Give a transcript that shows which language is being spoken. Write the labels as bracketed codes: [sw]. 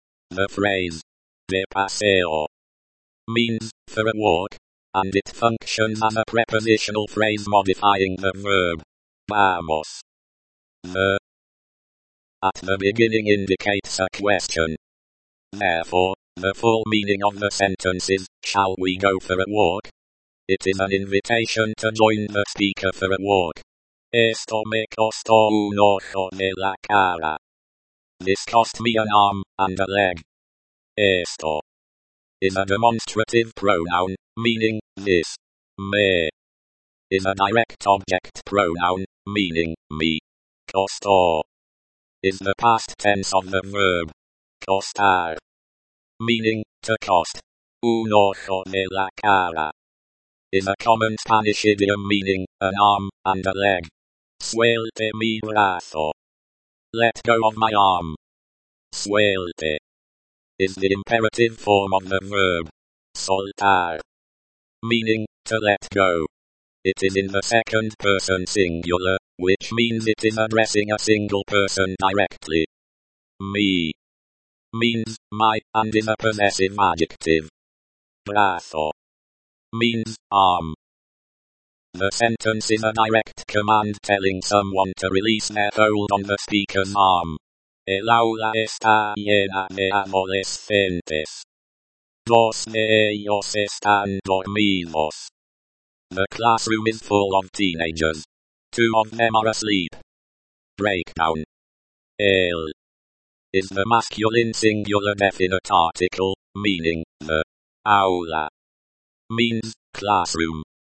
[en] The phrase, [es] de paseo, [en] means, for a walk, and it functions as a prepositional phrase modifying the verb, vamos, the, at the beginning indicates a question. Therefore, the full meaning of the sentence is, shall we go for a walk? It is an invitation to join the speaker for a walk. [es] Esto me costó un ojo de la cara. [en] This cost me an arm and a leg. Esto is a demonstrative pronoun, meaning this. Me is a direct object pronoun, meaning me. Costó is the past tense of the verb costar, meaning to cost. [es] Un ojo de la cara [en] is a common Spanish idiom meaning, an arm, and a leg. [es] Suelte mi brazo. [en] Let go of my arm. Suelte is the imperative form of the verb. Soltar, meaning, to let go. It is in the second person singular, which means it is addressing a single person directly. Me means, my, and is a possessive adjective. Brazo means arm. The sentence is a direct command telling someone to release their hold on the speaker's arm. [es] El aula está llena de adolescentes. Dos de ellos están dormidos. [en] The classroom is full of teenagers. Two of them are asleep. Breakdown. El is the masculine singular definite article, meaning the aula means classroom.